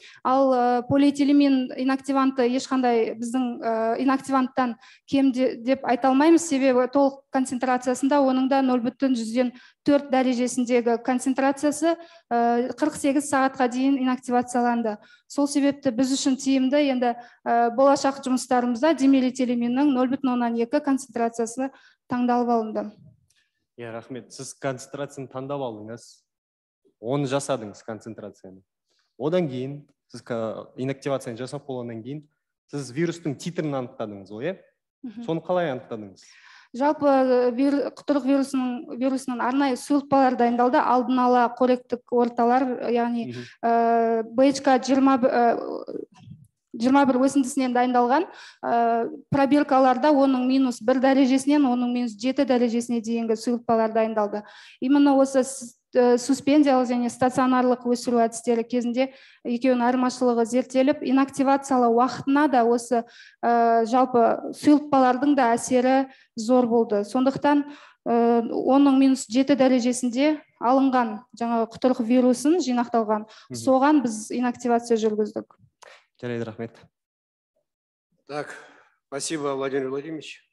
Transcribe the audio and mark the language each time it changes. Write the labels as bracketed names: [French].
[Kazakh] Ал полиэтилемин инактиванты ешқандай біздің инактиванттан кем деп айталмаймыз, себебі толық концентрациясында оның да 0,4 дәрежесіндегі концентрациясы 48 сағатқа дейін инактивацияланды. Сол себепті біз үшін тиімді енді болашақ жұмыстарымызда димелетилеминнің 0,2 концентрациясы таңдалып алынды. Иә, рахмет. Сіз концентрацияны таңдап алдыңыз. Он жасадыңыз концентрацияны. Одан кейін, сіз инактивацияны жасап болғаннан кейін, сіз вирустың титрін анықтадыңыз, ой? Соны қалай анықтадыңыз? Жалпы құтырық вирусының арнайы сұлпалар дайындалды, алдын ала қоректік орталар, яғни БХК-21 өсіндісінен дайындалған пробиркаларда оның минус 1 дәрежесінен, оның минус 7 дәрежесіне дейінгі сұлпалар дайындалды. Именно осы суспензиялық және стационарлық өсіру әдістері кезінде екеуін айырмашылығы зерттеліп, инактивациялы уақытына да осы жалпы сұйылтпалардың да әсері зор болды. Сондықтан оның минус 7 дәрежесінде алынған жаңа құтырық вирусын жинақталған. Соған біз инактивация жүргіздік. Жарайды, рахмет. [Russian] Так, спасибо, Владимир Владимирович.